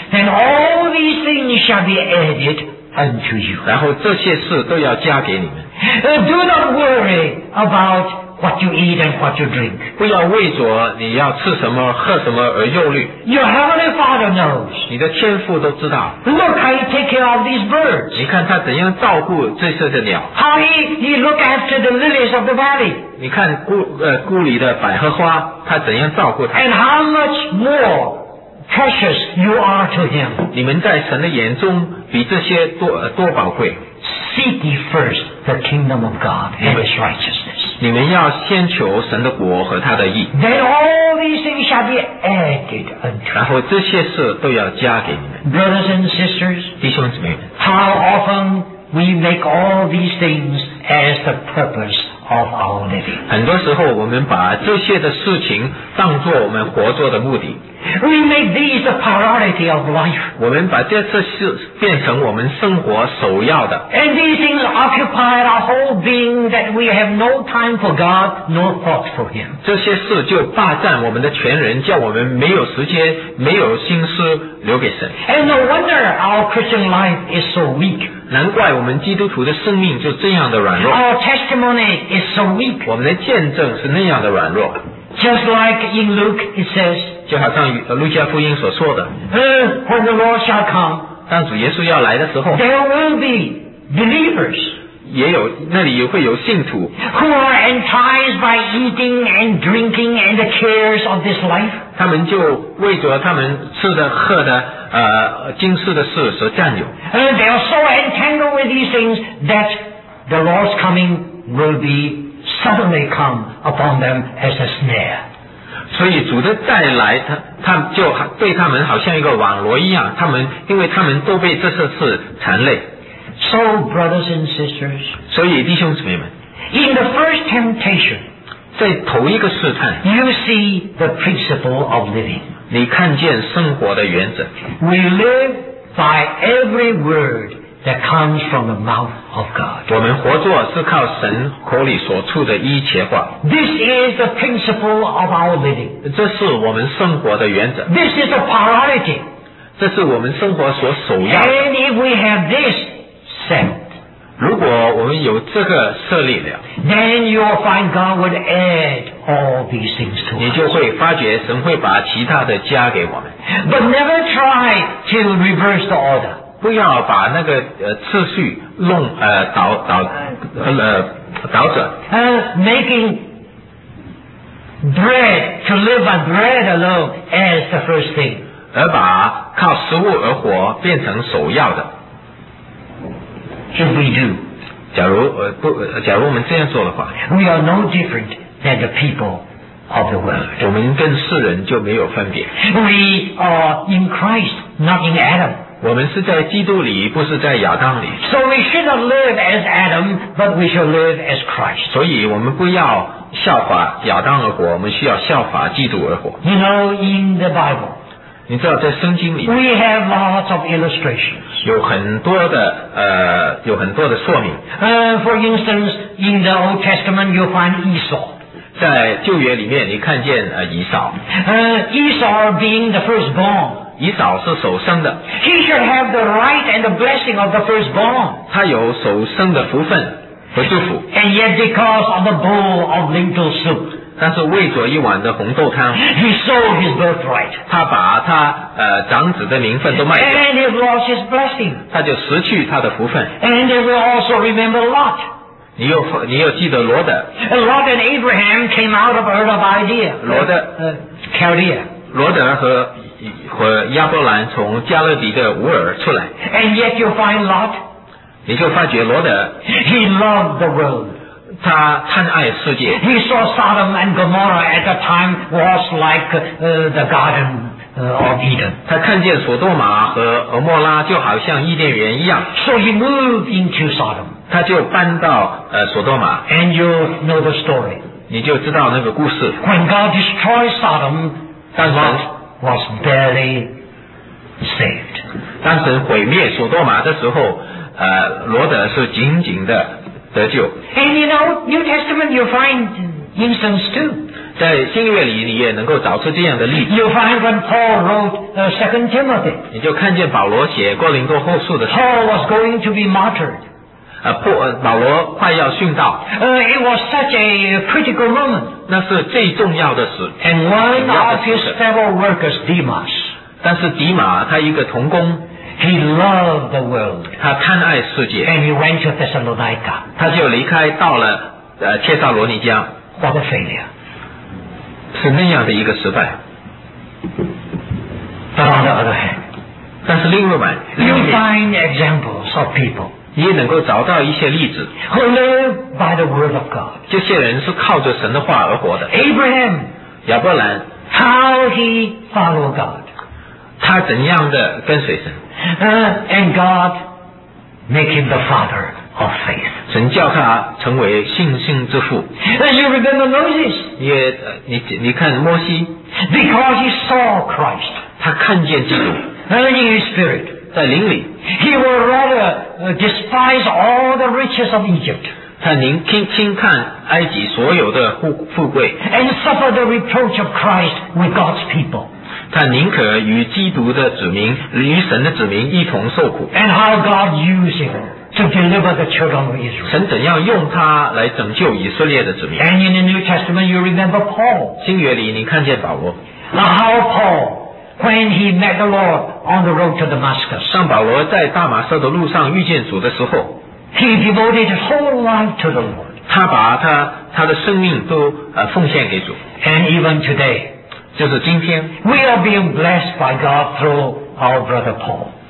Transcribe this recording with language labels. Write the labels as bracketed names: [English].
[English] And all these things shall be added unto you. [Chinese] 然后这些事都要加给你们 [English] Do not worry about what you eat and what you drink. [Chinese] 不要为着你要吃什么喝什么而忧虑 [English] Your heavenly Father knows. [Chinese] 你的天父都知道 [English] Look how he takes care of these birds. [Chinese] 你看他怎样照顾这些的鸟 [English] How he look after the lilies of the valley. [Chinese] 你看谷里的百合花他怎样照顾他 [English] And how much more precious you are to him. [Chinese] 你们在神的眼中比这些 多宝贵 [English] Seek ye first the kingdom of God and his righteousness. [Chinese] 你们要先求神的国和他的义 [English] Then all these things shall be added unto you. [Chinese] 然后这些事都要加给你们 [English] Brothers and sisters, [Chinese] 弟兄姊妹们 [English] How often we make all these things as the purpose of our living. [Chinese] 很多时候我们把这些的事情当作我们活着的目的 [English] We make these the priority of life. [Chinese] 我们把这些事变成我们生活首要的 [English] And these things occupy our whole being that we have no time for God nor thought for him. [Chinese] 这些事就霸占我们的全人叫我们没有时间没有心思留给神 [English] And no wonder our Christian life is so weak. [Chinese] 难怪我们基督徒的生命就这样的软弱。 [English] Our testimony is so weak. [Chinese] 我们的见证是那样的软弱。 [English] Just like in Luke, it says. [Chinese] 就好像路加福音所说的。 [English] When the Lord shall come. [Chinese] 当主耶稣要来的时候。 [English] There will be believers. [Chinese] 也有那里也会有信徒。 [English] Who are enticed by eating and drinking and the cares of this life. [Chinese] 他们就为着他们吃的喝的。今世的事所占有。 [English] They are so entangled with these things that the Lord's coming will be suddenly come upon them as a snare. [Chinese] 所以主的再来 他就对他们好像一个网罗一样他们因为他们都被这些事缠累。 [English] So brothers and sisters, [Chinese] 所以弟兄姊妹们 [English] in the first temptation, [Chinese] 在头一个试探 [English] you see the principle of living. [Chinese] 你看见生活的原则。 [English] We live by every word that comes from the mouth of God. [Chinese] 我们活着是靠神口里所出的一切话。 [English] This is the principle of our living. [Chinese] 这是我们生活的原则。 [English] This is a priority. [Chinese] 这是我们生活所首要的。 [English] And if we have this set, [Chinese] 如果我们有这个设立了 [English] then you'll find God would add. All these things to us. [Chinese] 你就会发觉神会把其他的加给我们。 [English] But never try to reverse the order. [Chinese] 不要把那个次序弄倒转。 [English] Making bread to live on bread alone as the first thing. [Chinese] 而把靠食物而活变成首要的。 [English] Should we do? [Chinese] 假如我们这样做的话。 [English] We are no different. Than the people of the world. [Chinese] 我们跟世人就没有分别。 [English] We are in Christ, not in Adam. [Chinese] 我们是在基督里，不是在亚当里。 [English] So we should not live as Adam, but we shall live as Christ. [Chinese] 所以我们不要效法亚当而活，我们需要效法基督而活。 [English] You know, in the Bible, [Chinese] 你知道在圣经里面 [English] We have lots of illustrations. [Chinese] 有很多的有很多的说明。 [English] For instance, in the Old Testament, you find Esau. [Chinese] 在旧约里面，你看见以扫。 [English] Esau being the firstborn. [Chinese] 以扫是首生的。 [English] He should have the right and the blessing of the firstborn. [Chinese] 他有首生的福分和祝福。 [English] And yet, because of the bowl of lentil soup. [Chinese] 但是为着一碗的红豆汤 [English] he sold his birthright. [Chinese] 他把他长子的名分都卖掉 [English] and he lost his blessing. [Chinese] 他就失去他的福分 [English] and they will also remember Lot. [Chinese] 你又记得罗德 [English] Lot and Abraham came out of Ur of Idea. [Chinese] 罗德 [English] Chaldea. [Chinese] 罗德和亚伯兰从加勒底的乌尔出来 [English] and yet you find Lot. [Chinese] 你就发觉罗德 [English] he loved the world. [Chinese] 他贪爱世界。 [English] He saw Sodom and Gomorrah at the time was like the Garden of Eden. [Chinese] 他看见索多玛和俄摩拉就好像伊甸园一样。 [English] So he moved into Sodom. [Chinese] 他就搬到索多玛。 [English] And you know the story. [Chinese] 你就知道那个故事。 [English] When God destroyed Sodom, Lot was barely saved. [Chinese] 当神毁灭索多玛的时候，罗德是紧紧的。得救。 [English] And you know, New Testament, you find instance too. [Chinese] 在新约里，你也能够找出这样的例子。 [English] You find when Paul wrote Second Timothy. [Chinese] 你就看见保罗写哥林多后书的时候。 [English] Paul was going to be martyred. [Chinese] 保罗快要殉道。 [English] It was such a critical moment. [Chinese] 那是最重要的时。 [English] And one of his fellow workers, Demas. [Chinese] 但是迪马他一个同工。 [English] He loved the world. [Chinese] 他贪爱世界。 [English] And he went to Thessalonica. [Chinese] 他就离开到了帖撒罗尼迦。 [English] What a failure. [Chinese] 是那样的一个失败。 [English] But on the other hand. [Chinese] 但是另外一面。 [English] You find examples of people. [Chinese] 你也能够找到一些例子。 [English] Who live by the word of God. [Chinese] 这些人是靠着神的话而活的。 [English] Abraham. [Chinese] 亚伯兰。 [English] How he followed God. [Chinese] 他怎样的跟随神。 [English] And God make him the father of faith. [Chinese] 神叫他成为信心之父。 [English] You remember Moses? [Chinese] 你看摩西。 [English] Because he saw Christ. [Chinese] 他看见基督。 [English] In his spirit. [Chinese] 在灵里。 [English] He would rather despise all the riches of Egypt. [Chinese] 他轻看埃及所有的富贵。 [English] And suffer the reproach of Christ with God's people. [Chinese] 他宁可与基督的子民与神的子民一同受苦 [English] and how God used him to deliver the children of Israel [Chinese] 神怎样用他来拯救以色列的子民 [English] and in the New Testament you remember Paul [Chinese] 新约里你看见保罗 [English] how Paul when he met the Lord on the road to Damascus [Chinese] 当保罗在大马色的路上遇见主的时候 [English] he devoted his whole life to the Lord [Chinese] 他把他的生命都奉献给主 [English] and even today [Chinese] 就是今天 [English] We are being blessed by God through our brother Paul